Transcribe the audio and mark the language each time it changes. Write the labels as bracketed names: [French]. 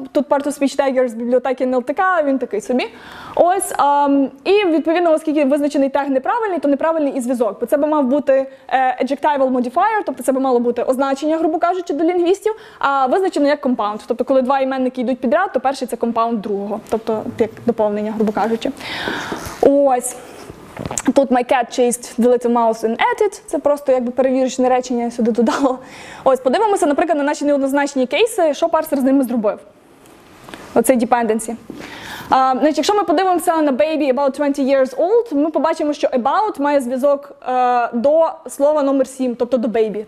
[Ukrainian] Тут part of speech tagger з бібліотеки NLTK, він такий собі. Ось і відповідно, оскільки визначений тег неправильний, то неправильний і зв'язок. Бо це би мав бути adjectival modifier, тобто це би мало бути означення, грубо кажучи, до лінгвістів, а визначено як compound. Тобто, коли два іменники йдуть підряд, то перший це compound другого, тобто як доповнення, грубо кажучи. Ось. [English] Тут my cat chased the little mouse and ate it. [Ukrainian] Це просто якби перевірочне речення я сюди додала. Ось, подивимося, наприклад, на наші неоднозначні кейси, що парсер з ними зробив. Оцей dependency. Значить, якщо ми подивимося на [English] baby about 20 years old, [Ukrainian] ми побачимо, що about має зв'язок до слова номер 7, тобто до baby.